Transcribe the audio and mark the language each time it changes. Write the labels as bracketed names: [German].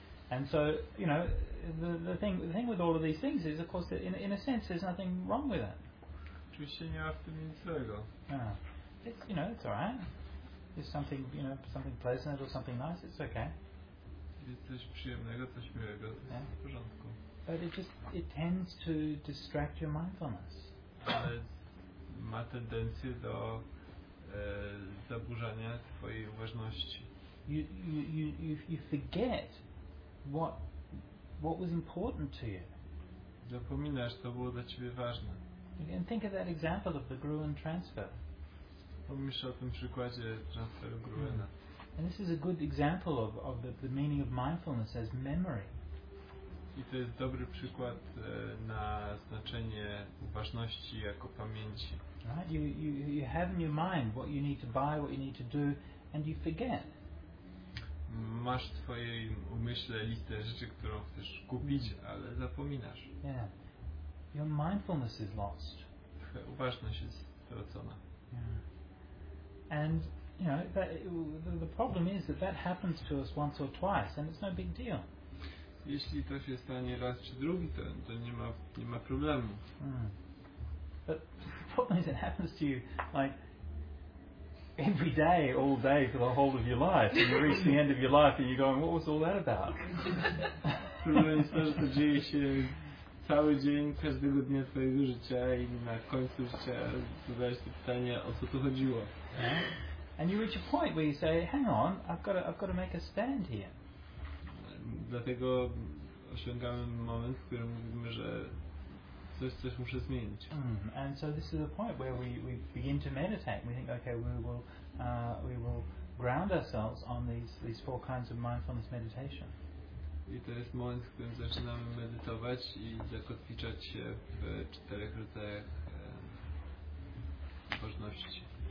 [English] And so, you know, the thing with all of these things is, of course, that in a sense, there's nothing wrong with it. [Polish] Oczywiście nie ma w tym nic złego. [English] It's, you know, it's all right. It's something, you know, something pleasant or something nice. It's okay. [Polish] Jest coś przyjemnego, coś miłego. To jest w porządku. [English] But it tends to distract your mindfulness. [Polish] Ale ma tendencję do zaburzania twojej uważności. [English] You forget what was important to you. [Polish] Zapominasz, co było dla ciebie ważne. [English] And think of that example of the Gruen transfer. [Polish] Pomyśl o tym przykładzie transferu Gruena. [English] And this is a good example of the meaning of mindfulness as memory. [Polish] I to jest dobry przykład na znaczenie uważności jako pamięci. [English] Right? You have in your mind what you need to buy, what you need to do, and you forget. [Polish] Masz w twojej umyśle listę rzeczy, którą chcesz kupić, ale zapominasz. [English] Yeah. Your mindfulness is lost. [Polish] Uważność jest stracona. [English] Yeah. And you know, that the problem is that that happens to us once or twice, and it's no big deal. [Polish] Jeśli to się stanie raz czy drugi, to nie ma problemu. [English] But the problem is it happens to you like every day, all day for the whole of your life, and you reach the end of your life and you're going, what was all that about? [Polish] Problem jest to, że to dzieje się cały dzień, każdego dnia twojego życia i na końcu życia zadajesz sobie pytanie, o co tu chodziło. [English] And you reach a point where you say, hang on, I've got to make a stand here. [Polish] Dlatego osiągamy moment, w którym mówimy, że coś muszę zmienić. [English] And so this is the point where we begin to meditate. We think, okay, we will ground ourselves on these four kinds of mindfulness meditation. [Polish] I to jest moment, w którym zaczynamy medytować i zakotwiczać się w czterech rodzajach możliwości.